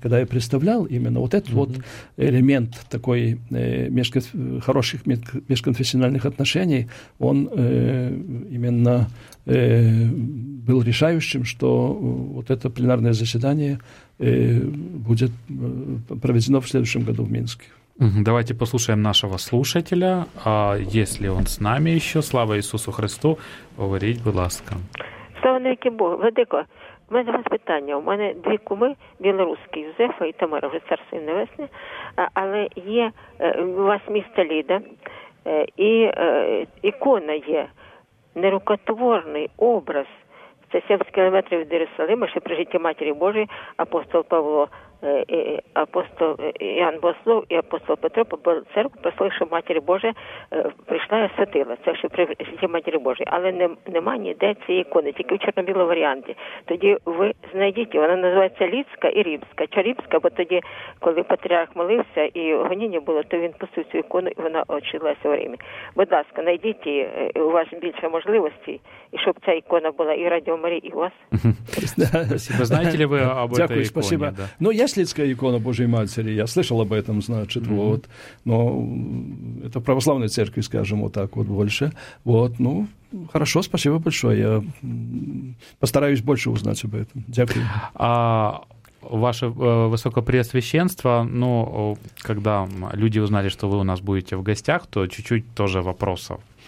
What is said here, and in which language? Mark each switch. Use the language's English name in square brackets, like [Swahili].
[Russian] Когда я представлял именно вот этот вот элемент такой хороших межконфессиональных отношений, он именно был решающим, что вот это пленарное заседание будет проведено в следующем году в Минске. Давайте послушаем нашего слушателя. А если он с нами еще, [Ukrainian] слава Ісусу Христу, говоріть, будь ласка. Слава навіки Богу. Владико, в мене вас питання. У мене дві куми, білоруські, Юзефа і Тамара, вже царство їм небесне. Але є у вас місто Ліда, і ікона є, нерукотворний образ. Це 70 кілометрів від Єрусалима, ще при житті Матері Божої, апостол Павло. Апостол Іоанн Богослов і апостол Петро побили церкву, послали, що Матір Божа прийшла і святила. Це ще при житті Матері Божої. Але нема ніде цієї ікони, тільки в чорно-білому варіанті. Тоді ви знайдіть, вона називається Ліцька і Рібська. Чо Рібська, бо тоді, коли патріарх молився і гоніння було, то він пустив цю ікону і вона очилася в Римі. Будь ласка, знайдіть її, у вас більше можливостей, і щоб ця ікона була і Радіо Марії, і у вас. Знаєте ли ви об цій іконі? [Russian] Есть Лидская икона Божьей Матери, я слышал об этом, значит, вот, но это в православной церкви, скажем, вот так вот больше, вот, ну, хорошо, спасибо большое, я постараюсь больше узнать об этом, дякую. А ваше высокопреосвященство, ну, когда люди узнали, что вы у нас будете в гостях, то чуть-чуть тоже вопросов.